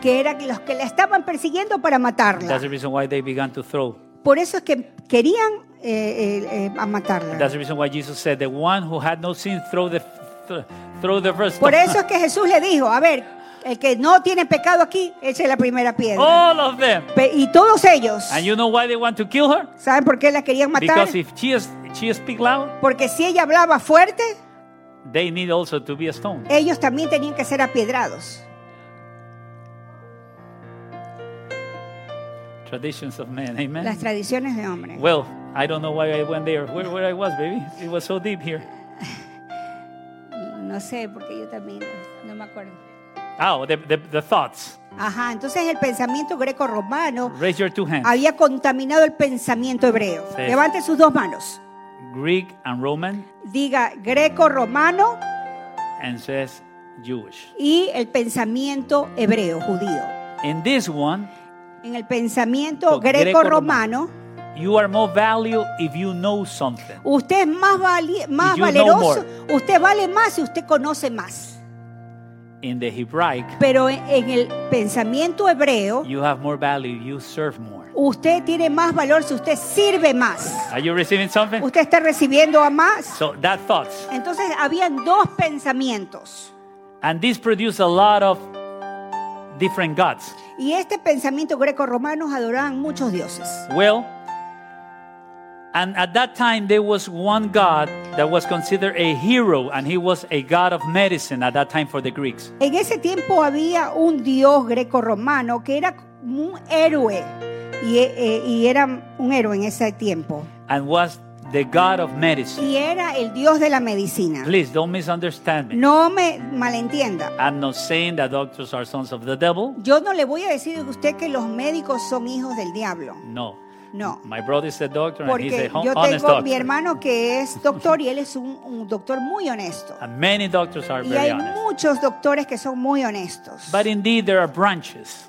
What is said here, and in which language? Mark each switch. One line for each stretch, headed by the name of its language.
Spanish: Que eran los que la estaban persiguiendo para matarla.
English: That's the reason why they began to throw.
Spanish: Por eso es que querían a matarla.
English: That's the reason why Jesus said, "The one who had no sin, throw the first stone."
Spanish: Por eso es que Jesús le dijo, a ver, el que no tiene pecado aquí, eche la primera piedra.
English: All of them.
Spanish: Y todos ellos.
English: And you know why they want to kill her?
Spanish: ¿Saben por qué la querían matar?
English: Because if she speak loud.
Spanish: Porque si ella hablaba fuerte.
English: They need also to be a stone.
Spanish: Ellos también tenían que ser apiedrados.
English: Traditions of men, amen.
Spanish: Las tradiciones de hombres.
English: Well, I don't know why I went there. Where I was, baby? It was so deep here.
Spanish: No sé, porque yo también no me acuerdo.
English: Oh, the thoughts.
Spanish: Ajá, entonces el pensamiento greco-romano.
English: Raise your two hands.
Spanish: Había contaminado el pensamiento hebreo. Say, levante sus dos manos.
English: Greek and Roman.
Spanish: Diga greco-romano.
English: And says Jewish.
Spanish: Y el pensamiento hebreo, judío.
English: In this one.
Spanish: En el pensamiento greco-romano,
English: you are more valuable if you know something.
Spanish: Usted es más más valeroso, usted vale más si usted conoce más.
English: In the Hebraic,
Spanish: pero en el pensamiento hebreo,
English: you have more value, you serve more.
Spanish: Usted tiene más valor si usted sirve más.
English: Are you receiving something?
Spanish: Usted está recibiendo a más.
English: So that thoughts.
Spanish: Entonces habían dos pensamientos.
English: And this produced a lot of different gods.
Spanish: Y este pensamiento greco-romano adoraban muchos dioses.
English: Well, and at that time there was one god that was considered a hero, and he was a god of medicine at that time for the Greeks.
Spanish: En ese tiempo había un dios greco-romano que era un héroe y era un héroe en ese tiempo.
English: And was the god of medicine.
Spanish: Y era el dios de la medicina.
English: Please don't misunderstand me.
Spanish: No me malentienda.
English: I'm not saying that doctors are sons of the devil.
Spanish: Yo no le voy a decir a usted que los médicos son hijos del diablo.
English: No.
Spanish: No.
English: My brother is a doctor.
Spanish: Porque
English: and he's a
Spanish: yo tengo
English: honest doctor.
Spanish: Mi hermano que es doctor y él es un doctor muy honesto.
English: And many doctors are
Spanish: y
English: very
Spanish: hay
English: honest.
Spanish: Muchos doctores que son muy honestos.
English: But indeed there are branches.